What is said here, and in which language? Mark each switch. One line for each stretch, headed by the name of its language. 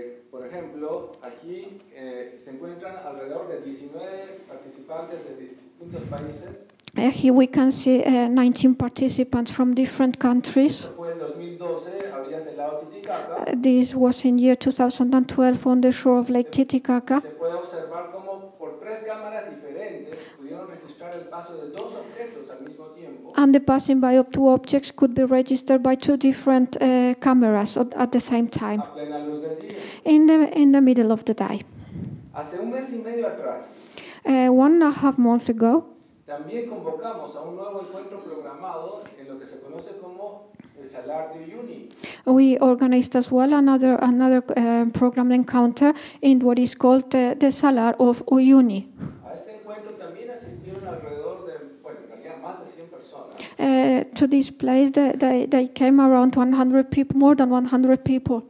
Spanish: Por ejemplo, aquí se encuentran alrededor de 19 participantes de distintos países.
English: Here we can see 19 participants from different countries.
Spanish: Esto fue en 2012, a orillas del lago Titicaca.
English: This was in year 2012 on the shore of Lake Titicaca.
Spanish: Se puede observar cómo por tres cámaras diferentes pudieron registrar el paso de dos objetos al mismo tiempo.
English: And the passing by of two objects could be registered by two different cameras at the same time.
Spanish: A plena luz del día.
English: In the middle of the day.
Spanish: Hace un mes y medio atrás,
English: 1.5 months ago,
Spanish: también convocamos a un nuevo encuentro programado en lo que se conoce como el Salar de Uyuni.
English: We organized as well another programmed encounter in what is called the Salar of Uyuni.
Spanish: A este encuentro también asistieron alrededor de, bueno, en realidad más de 100 personas.
English: To this place, they came around 100 people, more than 100 people.